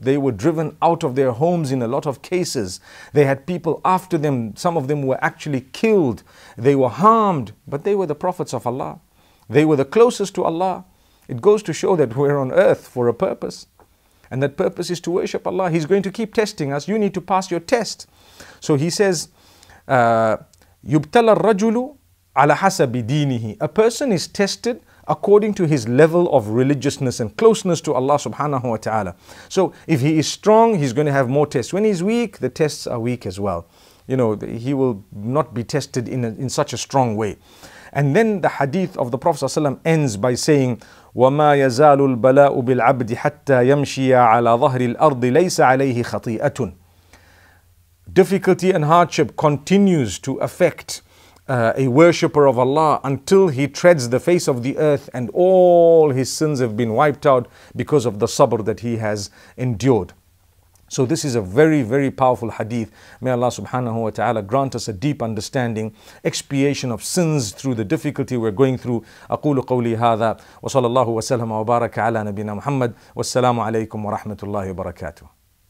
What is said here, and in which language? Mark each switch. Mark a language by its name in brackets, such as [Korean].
[English] They were driven out of their homes in a lot of cases. They had people after them. Some of them were actually killed. They were harmed, but they were the prophets of Allah. They were the closest to Allah. It goes to show that we're on earth for a purpose. And that purpose is to worship Allah. He's going to keep testing us. You need to pass your test. So he says, [Arabic] يُبْتَلَ الرَّجُلُ عَلَى حَسَبِ دِينِهِ. [English] A person is tested according to his level of religiousness and closeness to Allah subhanahu wa ta'ala. So if he is strong, he's going to have more tests. When he's weak, the tests are weak as well. You know, he will not be tested in such a strong way. And then the hadith of the Prophet ﷺ ends by saying, [Arabic] وَمَا يَزَالُ الْبَلَاءُ بِالْعَبْدِ حَتَّى يَمْشِيَ عَلَى ظَهْرِ الْأَرْضِ لَيْسَ عَلَيْهِ خَطِيئَةٌ. [English] Difficulty and hardship continues to affect a worshipper of Allah until he treads the face of the earth and all his sins have been wiped out because of the sabr that he has endured. So this is a very, very powerful hadith. May Allah subhanahu wa ta'ala grant us a deep understanding, expiation of sins through the difficulty we're going through. [Arabic] أقول قولي هذا وصلى الله وسلم وبارك على نبينا محمد والسلام عليكم ورحمة الله وبركاته.